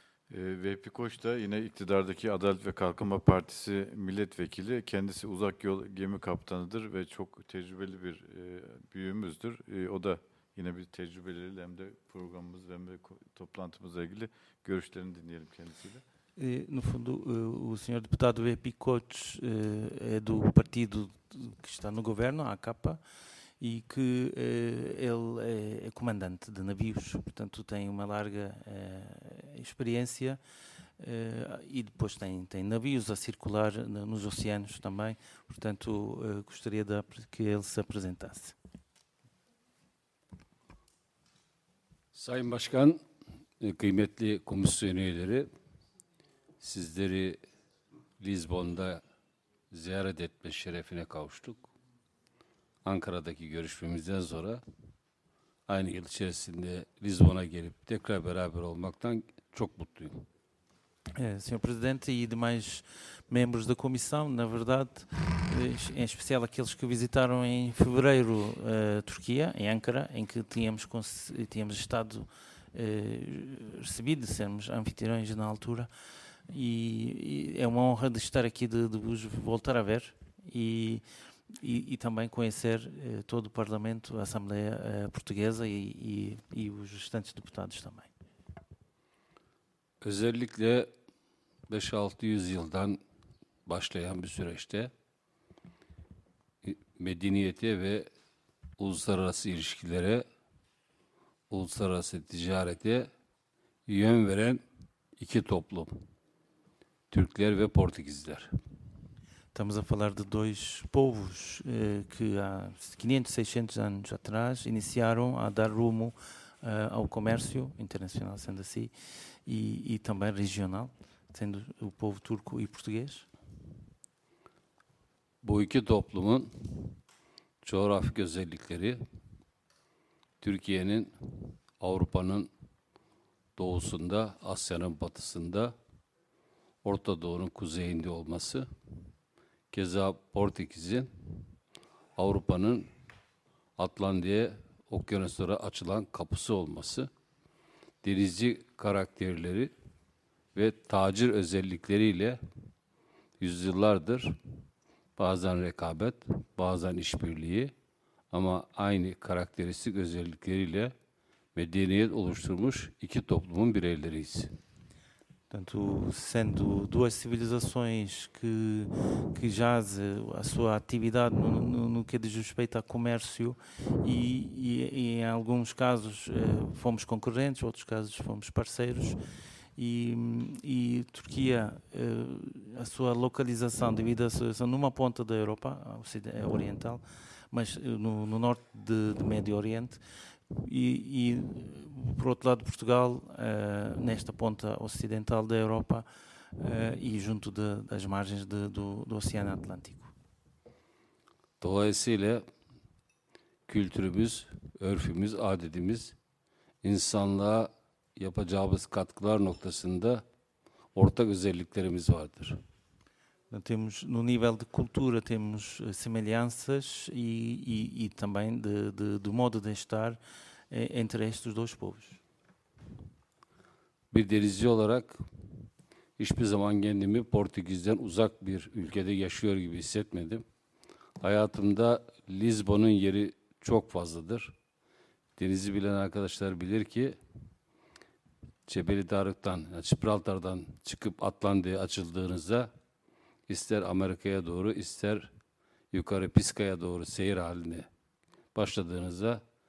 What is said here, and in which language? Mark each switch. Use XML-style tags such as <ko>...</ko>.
<tr>Vehbi Koç da yine iktidardaki Adalet ve Kalkınma Partisi milletvekili. Kendisi uzak yol gemi kaptanıdır ve çok tecrübeli bir büyüğümüzdür. O da yine bir tecrübeleriyle hem de programımız hem de toplantımızla ilgili görüşlerini dinleyelim kendisiyle.</tr> <pt>No fundo, o senhor deputado Vehbi Koç é do partido que está no governo, a AKP, e que ele é comandante de navios, portanto tem uma larga experiência e depois tem navios a circular nos oceanos também, portanto gostaria que ele se apresentasse.</pt> <tr>Sayın Başkan, kıymetli komisyon üyeleri, sizleri Lisbon'da ziyaret etme şerefine kavuştuk. Ankara'daki görüşmemizden sonra aynı yıl içerisinde Lisbon'a gelip tekrar beraber olmaktan çok mutluyum.</tr> <pt>Senhor Presidente e demais membros da comissão, na verdade, em especial aqueles que visitaram em fevereiro a Turquia, em Ankara, em que tínhamos estado recebidos, sermos anfitriões na altura, e é uma honra de estar aqui, de vos voltar a ver e também conhecer todo o Parlamento, a Assembleia Portuguesa e os restantes deputados também.</pt> <tr>Özellikle 5-600 yıldan başlayan bir süreçte medeniyete ve uluslararası ilişkilere, uluslararası ticarete yön veren iki toplum, Türkler ve Portekizler.</tr> <pt>Estamos a falar de dois povos que há 500, 600 anos atrás iniciaram a dar rumo ao comércio internacional, sendo assim, e também regional, sendo o povo turco e português.</pt> <tr>Bu iki toplumun coğrafik özellikleri Türkiye'nin Avrupa'nın doğusunda, Asya'nın batısında, Orta Doğu'nun kuzeyinde olması, keza Portekiz'in Avrupa'nın Atlantik Okyanuslara açılan kapısı olması, denizci karakterleri ve tacir özellikleriyle yüzyıllardır bazen rekabet, bazen işbirliği ama aynı karakteristik özellikleriyle medeniyet oluşturmuş iki toplumun bireyleriyiz.</tr> <pt>Portanto, sendo duas civilizações que jaz a sua atividade no que diz respeito a comércio e em alguns casos fomos concorrentes, outros casos fomos parceiros e Turquia, a sua localização devido à sua situação numa ponta da Europa oriental, mas no norte de Médio Oriente, E, por outro lado, Portugal, nesta ponta ocidental da Europa e junto das margens do Oceano Atlântico.</pt> <tr>Dolayısıyla kültürümüz, örfümüz, adetimiz, insanlığa yapacağımız katkılar noktasında ortak özelliklerimiz vardır.</tr> <pt>Temos, no nível de cultura, temos semelhanças e também do modo de estar entre estes dois povos.</pt> <tr>Bir denizci olarak hiçbir zaman kendimi Portekiz'den uzak bir ülkede yaşıyor gibi hissetmedim. Hayatımda Lisbon'un yeri çok fazladır. Denizi bilen arkadaşlar bilir ki Cebelitarık'tan, Gibraltar'dan çıkıp Atlantik'e açıldığınızda ister Amerika'ya doğru ister yukarı Piska'ya doğru seyir haline başladığınızda</tr>